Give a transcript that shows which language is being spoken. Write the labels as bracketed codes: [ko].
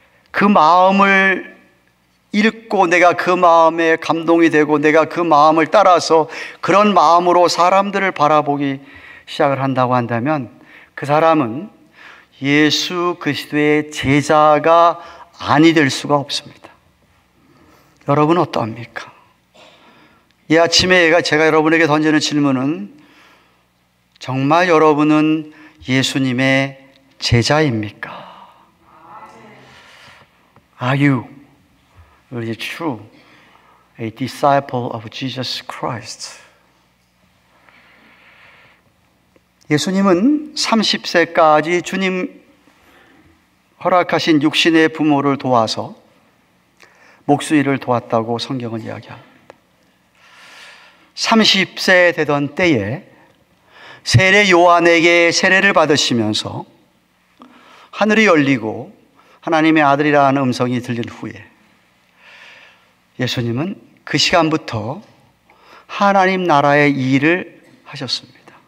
[ko] 그 마음을 읽고 내가 그 마음에 감동이 되고 내가 그 마음을 따라서 그런 마음으로 사람들을 바라보기 시작을 한다고 한다면 그 사람은 예수 그리스도의 제자가 아니 될 수가 없습니다. 여러분 어떠합니까? 이 아침에 제가 여러분에게 던지는 질문은 정말 여러분은 예수님의 제자입니까? [en] Are you really true a disciple of Jesus Christ? [ko] 예수님은 30세까지 주님 허락하신 육신의 부모를 도와서 목수일을 도왔다고 성경은 이야기합니다. 30세 되던 때에 세례 요한에게 세례를 받으시면서 하늘이 열리고 하나님의 아들이라는 음성이 들린 후에 예수님은 그 시간부터 하나님 나라의 일을 하셨습니다.